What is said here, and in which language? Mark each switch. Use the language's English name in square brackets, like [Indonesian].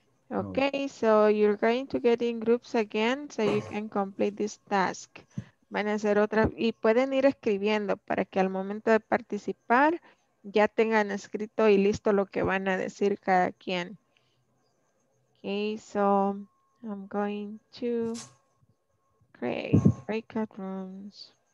[English] Okay, so you're going to get in groups again so you can complete this task. [Spanish] Van a hacer otra y pueden ir escribiendo para que al momento de participar ya tengan escrito y listo lo que van a decir cada quien. [English] Okay, so I'm going to create breakout rooms.